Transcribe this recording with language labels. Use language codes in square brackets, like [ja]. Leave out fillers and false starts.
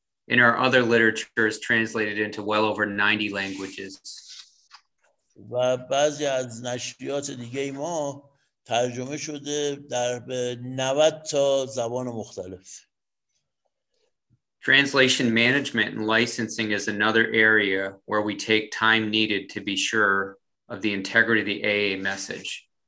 [en] In our other literature is translated into well over 90 languages. [fa] و بعضی از نشریات دیگه ما ترجمه شده در 90 تا زبان مختلف. [en] Translation management and licensing is another area where we take time needed to be sure of the integrity of the AA message.